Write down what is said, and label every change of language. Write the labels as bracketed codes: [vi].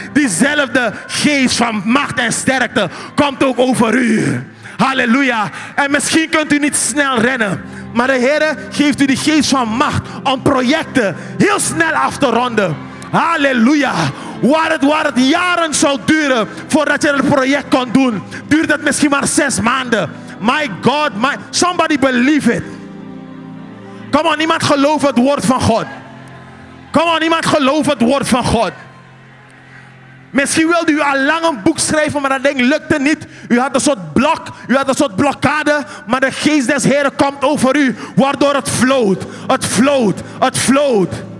[nl] Diezelfde geest van macht en sterkte komt ook over u. Halleluja. En misschien kunt u niet snel rennen. Maar de Heer geeft u die geest van macht om projecten heel snel af te ronden. Halleluja. Waar het jaren zou duren voordat je het project kon doen, duurt het misschien maar 6 maanden. [en] My God, somebody believe it. [nl] Kom op, niemand gelooft het woord van God. Kom op, niemand gelooft het woord van God. Misschien wilde u al lang een boek schrijven, maar dat ding lukte niet. U had een soort blok, u had een soort blokkade, maar de geest des Heren komt over u, waardoor het vloot, het vloot, het vloot.